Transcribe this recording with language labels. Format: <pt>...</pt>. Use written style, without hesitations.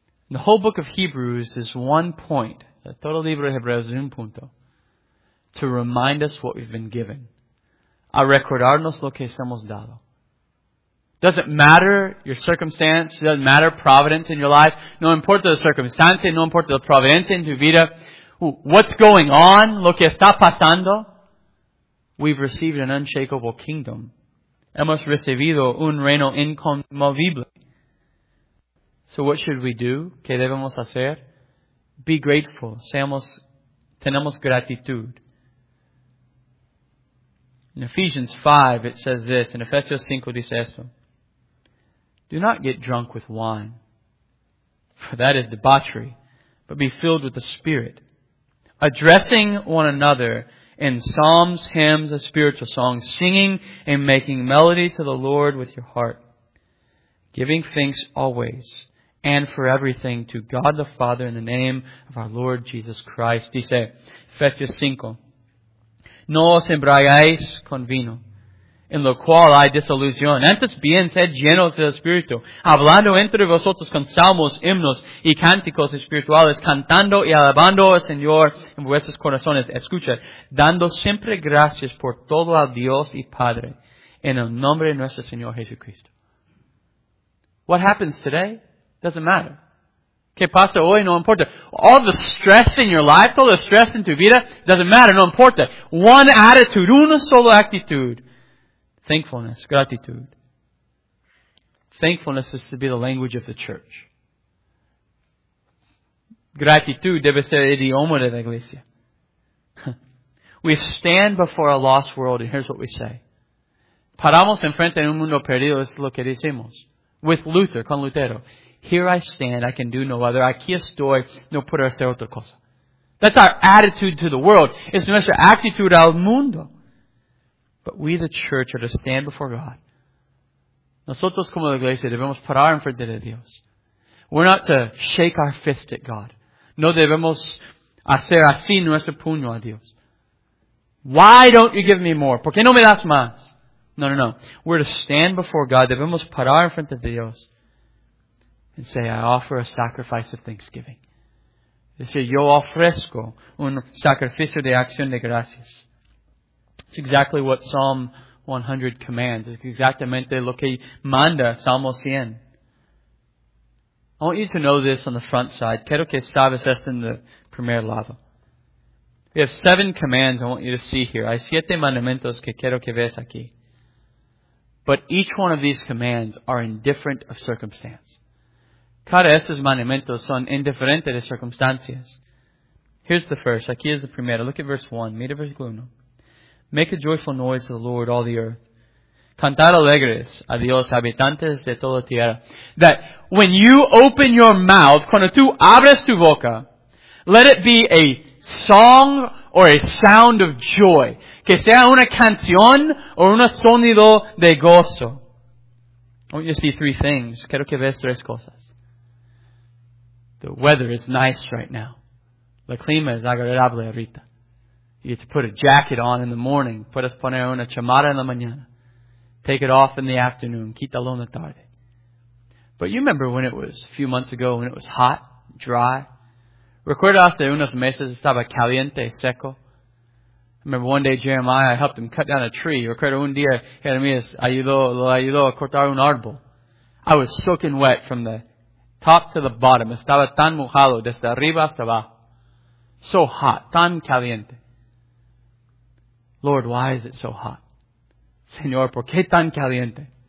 <en>The whole book of Hebrews is one point.</en> <es>Todo el libro de Hebreos es un punto.</es> <en>To remind us what we've been given.</en> <es>A recordarnos lo que hemos dado.</es> <en>Doesn't matter your circumstance. Doesn't matter providence in your life.</en> <es>No importa la circunstancia. No importa la providencia en tu vida.</es> <en>What's going on?</en> <es>Lo que está pasando?</es> <en>We've received an unshakable kingdom.</en> <es>Hemos recibido un reino inconmovible.</es> <en>So what should we do?</en> <es>¿Qué debemos hacer?</es> <en>Be grateful.</en> <es>Tenemos gratitud.</es> <en>In Ephesians 5, it says this. In Ephesians 5,</en> <es>dice esto.</es> <en>Do not get drunk with wine, for that is debauchery, but be filled with the Spirit. Addressing one another in psalms, hymns, and spiritual songs, singing and making melody to the Lord with your heart, giving thanks always and for everything to God the Father in the name of our Lord Jesus Christ.</en> <es>Dice, Efesios 5, no os embriagáis con vino, en lo cual hay desilusión. Antes bien, sed llenos del Espíritu, hablando entre vosotros con salmos, himnos y cánticos espirituales, cantando y alabando al Señor en vuestros corazones. Escucha, dando siempre gracias por todo a Dios y Padre, en el nombre de nuestro Señor Jesucristo.</es> <en>What happens today? Doesn't matter.</en> <es>¿Qué pasa hoy? No importa.</es> <en>All the stress in your life, all the stress in</en> <es>tu vida,</es> <en>doesn't matter.</en> <es>No importa.</es> <en>One attitude,</en> <es>una sola actitud.</es> <en>Thankfulness, gratitude. Thankfulness is to be the language of the church.</en> <es>Gratitud debe ser el idioma de la iglesia.</es> <en>We stand before a lost world, and here's what we say.</en> <es>Paramos enfrente de un mundo perdido, es lo que decimos.</es> <en>With Luther,</en> <es>con Lutero.</es> <en>Here I stand, I can do no other.</en> <es>Aquí estoy, no puedo hacer otra cosa.</es> <en>That's our attitude to the world.</en> <es>It's nuestra actitud al mundo.</es> <en>But we, the church, are to stand before God.</en> <es>Nosotros como la iglesia debemos parar en frente de Dios.</es> <en>We're not to shake our fist at God.</en> <es>No debemos hacer así nuestro puño a Dios.</es> <en>Why don't you give me more?</en> <es>¿Por qué no me das más? No, no, no.</es> <en>We're to stand before God.</en> <es>Debemos parar en frente de Dios.</es> <en>And say, I offer a sacrifice of thanksgiving.</en> <es>Dice, yo ofrezco un sacrificio de acción de gracias.</es> <en>It's exactly what Psalm 100 commands. It's</en> <es>exactamente lo que manda Salmo 100.</es> <en>I want you to know this on the front side.</en> <es>Quiero que sabes esto en el primer lado.</es> <en>We have 7 commands I want you to see here.</en> <es>Hay 7 mandamientos que quiero que veas aquí.</es> <en>But each one of these commands are in different of circumstance.</en> <es>Cada estos mandamientos son indiferentes de circunstancias.</es> <en>Here's the first.</en> <es>Aquí es la primera.</es> <en>Look at verse 1.</en> <es>Mira versículo 1.</es> <en>Make a joyful noise to the Lord, all the earth.</en> <es>Cantar alegres a Dios, habitantes de toda tierra.</es> <en>That when you open your mouth,</en> <es>cuando tú abres tu boca,</es> <en>let it be a song or a sound of joy.</en> <es>Que sea una canción o un sonido de gozo.</es> <en>I want you to see 3 things.</en> <es>Quiero que veas 3 cosas.</es> <en>The weather is nice right now.</en> <es>La clima es agradable ahorita.</es> <en>You have to put a jacket on in the morning.</en> <es>Puedes poner una chamarra en la mañana.</es> <en>Take it off in the afternoon.</en> <es>Quítalo en la tarde.</es> <en>But you remember when it was a few months ago when it was hot, dry?</en> <es>Recuerda hace unos meses estaba caliente, seco.</es> <en>Remember one day Jeremiah, I helped him cut down a tree.</en> <es>Recuerda un día Jeremías lo ayudó a cortar un árbol.</es> <en>I was soaking wet from the top to the bottom.</en> <es>Estaba tan mojado desde arriba hasta abajo.</es> <en>So hot.</en> <es>Tan caliente.</es> <en>Lord, why is it so hot?</en> <es>Señor, ¿por qué tan caliente?</es>